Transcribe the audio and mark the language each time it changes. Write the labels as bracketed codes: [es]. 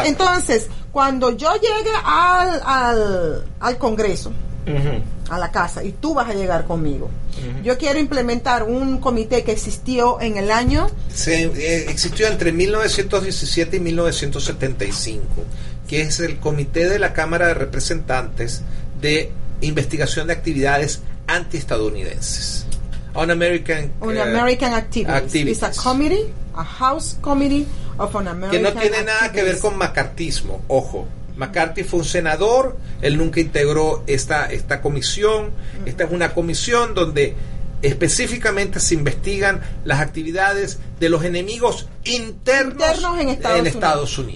[es] Entonces, cuando yo llegue al Congreso, a la casa, y tú vas a llegar conmigo, yo quiero implementar un comité que existió en el año. Existió entre 1917 y 1975, que es el Comité de la Cámara de Representantes de Investigación de Actividades Antiestadounidenses. [en] Un American Activities. It's a committee, a House Committee of an American. [es] Que no tiene nada que ver con macartismo, ojo. McCarthy fue un senador, él nunca integró esta comisión. Esta es una comisión donde específicamente se investigan las actividades de los enemigos internos en Estados Unidos.